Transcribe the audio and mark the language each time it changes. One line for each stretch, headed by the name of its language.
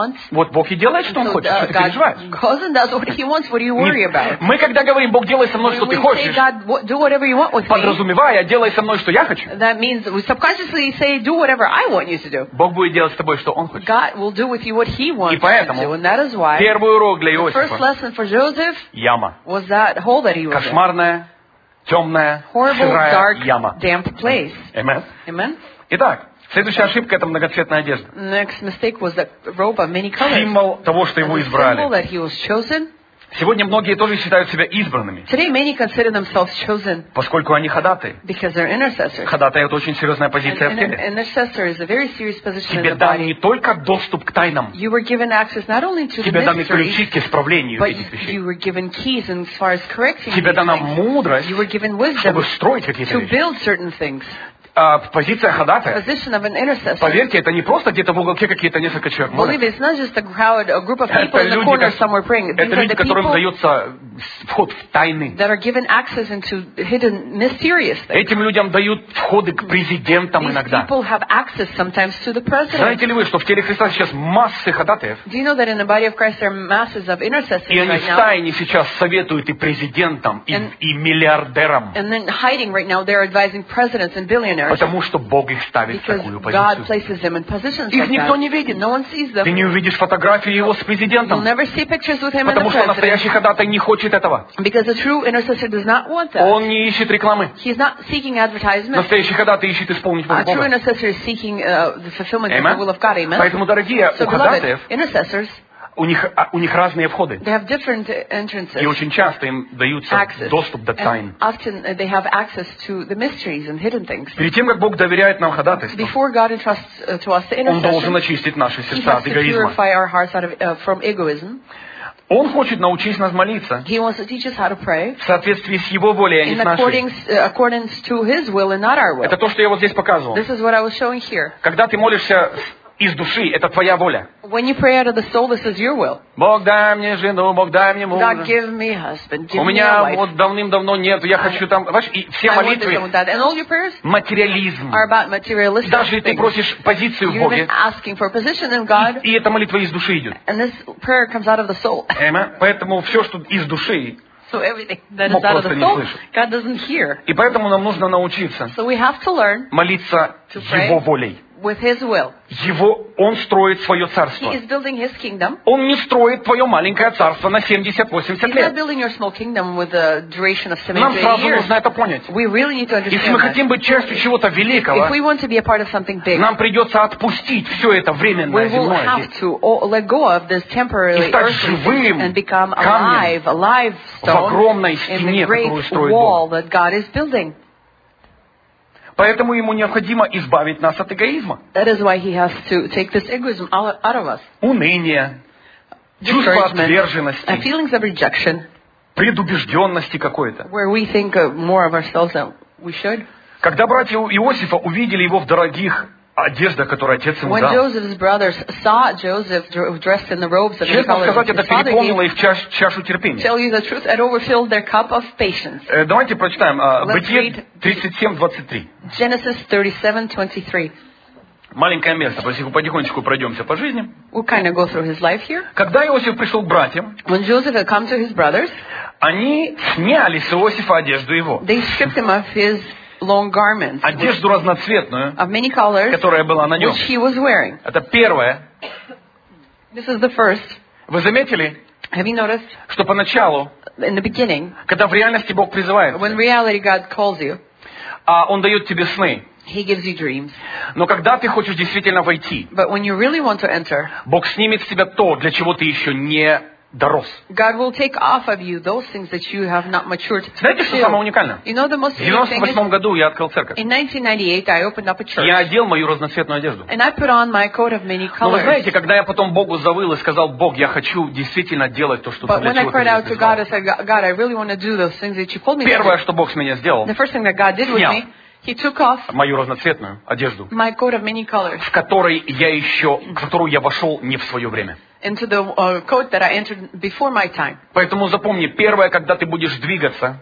Russian: Вот Бог и делает, что Он хочет, что ты переживаешь. Мы когда говорим, Бог, делай со мной, что ты хочешь, подразумевая, делай со мной, что я хочу,
English: that means we subconsciously say, do whatever I want you to do.
Russian: Бог будет делать с тобой, что Он хочет.
English: God will do with you what He wants.
Russian: И поэтому, первый урок для Иосифа,
English: the first lesson for Joseph,
Russian: яма,
English: was that hole that he was
Russian: кошмарная,
English: in.
Russian: Темная,
English: horrible,
Russian: сырая
English: dark,
Russian: яма.
English: Damp place. Amen. Amen.
Russian: Итак, следующая ошибка – это многоцветная одежда.
English: Next mistake was the robe of many colors.
Russian: Символ того, что его избрали.
English: Symbol that he was chosen.
Russian: Сегодня многие тоже считают себя избранными.
English: Today many consider themselves chosen.
Russian: Поскольку они ходатаи.
English: Because they're intercessors.
Russian: Ходатаи – это очень серьезная позиция в теле.
English: Intercessor is a very serious position.
Russian: Тебе дан не только доступ к тайнам.
English: You were given access not only to the mysteries.
Russian: Тебе даны ключи к исправлению этих вещей.
English: But you were given keys and as far as correcting.
Russian: Тебе дана мудрость.
English: You were given wisdom.
Russian: Чтобы строить какие-то вещи.
English: To build certain things.
Russian: Позиция ходатая. Поверьте, это не просто где-то в уголке какие-то несколько человек. Это люди, которым дается вход в тайны.
English: That are given access into hidden mysterious things.
Russian: Этим людям дают входы к президентам иногда.
English: These people have access sometimes to the president.
Russian: Знаете ли вы, что в теле Христа сейчас массы ходатаев?
English: Do you know that in the body of Christ there are masses of intercessors right now?
Russian: И они в тайне сейчас советуют и президентам, и миллиардерам.
English: And then hiding right now they're advising presidents and billionaires.
Russian: Потому что Бог их ставит
English: because
Russian: в такую позицию.
English: Like
Russian: их никто
English: that.
Russian: Не видит.
English: No one sees them.
Russian: Ты не увидишь фотографии его с президентом.
English: You'll never see pictures with him.
Russian: Потому что настоящий ходатай не хочет этого.
English: Because a true intercessor does not want that.
Russian: Он не ищет рекламы.
English: He's not seeking advertisement.
Russian: Настоящий ходатай ищет исполнить волю Бога.
English: A true intercessor is seeking the fulfillment of the will of God. Amen.
Russian: Поэтому, дорогие,
English: so,
Russian: у ходатаев, у них разные входы.
English: They have different entrances.
Russian: И очень часто им даются
English: access.
Russian: Доступ до тайн.
English: Often they have access to the mysteries and hidden things.
Russian: Перед тем, как Бог доверяет нам ходатайство,
English: before God entrusts to us the intercession,
Russian: Он должен очистить наши сердца от эгоизма.
English: He has to purify our hearts out of, from egoism.
Russian: Он хочет научить нас молиться.
English: He wants to teach us how to pray.
Russian: В соответствии с Его волей, а не с нашей.
English: According to His will and not our will.
Russian: Это то, что я вот здесь показывал.
English: This is what I was showing here.
Russian: Когда ты молишься из души, это твоя воля.
English: When you pray out of the soul, this is your will.
Russian: Бог, дай мне жену, Бог, дай мне мужа.
English: God, give me husband, give
Russian: у меня
English: me a wife.
Russian: Вот давным-давно нет, я хочу там... И все
English: I
Russian: молитвы,
English: and all your prayers
Russian: материализм.
English: Are about materialistic
Russian: даже
English: things.
Russian: Ты просишь позицию
English: you're
Russian: в Боге,
English: asking for a position in God,
Russian: и эта молитва из души идет.
English: And this prayer comes out of the soul.
Russian: Поэтому все, что из души,
English: so everything that is out of the soul, God doesn't hear.
Russian: И поэтому нам нужно научиться,
English: so we have to learn,
Russian: молиться
English: to pray
Russian: Его волей.
English: With His will.
Russian: Его, он строит свое царство.
English: He is building His kingdom.
Russian: Он не строит твое маленькое царство на 70-80 лет.
English: He's not building your small kingdom with a duration of 70 years.
Russian: Нам сразу нужно это понять.
English: We really need to understand.
Russian: Если мы хотим быть частью чего-то великого,
English: if we want to be a part of something big,
Russian: нам придется отпустить все это временное земное.
English: We will have to let go of this temporary earth and become alive, alive stone
Russian: в огромной стене, которую строит
English: wall
Russian: Бог.
English: That God is building.
Russian: Поэтому ему необходимо избавить нас от эгоизма.
English: That is why he has to take this egoism out of us.
Russian: Уныние, чувство отверженности,
English: feelings of rejection.
Russian: предубежденности какой-то.
English: Where we think more of ourselves than we should.
Russian: Когда братья Иосифа увидели его в дорогих одеждах, которые отец ему дал.
English: When Joseph's brothers saw Joseph dressed in the robes that
Russian: Честно
English: the
Russian: сказать, это
English: his
Russian: переполнило их чашу терпения.
English: Tell you the truth, it overfilled their cup of patience.
Russian: Давайте прочитаем Бытие 37:23.
English: Genesis 37:23.
Russian: Маленькое место, потихонечку пройдемся по жизни.
English: We'll kind of go through his life here.
Russian: Когда Иосиф пришел к братьям,
English: when Joseph had come to his brothers,
Russian: они сняли с Иосифа одежду его.
English: They stripped him of his long garments,
Russian: одежду разноцветную,
English: of many colors,
Russian: которая была на нем.
English: Which he was wearing.
Russian: Это первое.
English: This is the first.
Russian: Вы заметили,
English: have you noticed,
Russian: что поначалу,
English: in the beginning,
Russian: когда в реальности Бог призывает,
English: when reality God calls you,
Russian: Он дает тебе сны.
English: He gives you dreams.
Russian: Но когда ты хочешь действительно войти,
English: but when you really want to enter,
Russian: Бог снимет с тебя то, для чего ты еще не дорос.
English: God will take off of you those things that you have not matured.
Russian: Знаете, что самое уникальное?
English: You know the most interesting thing.
Russian: В 98 году я открыл церковь.
English: In 1998 I opened up a church.
Russian: Я одел мою разноцветную одежду.
English: And I put on my coat of many colors.
Russian: Но вы знаете, когда я потом Богу завыл и сказал: Бог, я хочу действительно делать то, что для чего ты меня призвал.
English: But when I cried out to God, I said, God, I really want to do those things that you called me to.
Russian: Первое, что Бог с меня сделал.
English: The first thing that God did with me. He took off
Russian: мою разноцветную одежду,
English: my coat of many colors,
Russian: в которой я еще, в которую я вошел не в свое время.
English: Into the coat that I entered before my time.
Russian: Поэтому запомни, первое, когда ты будешь двигаться,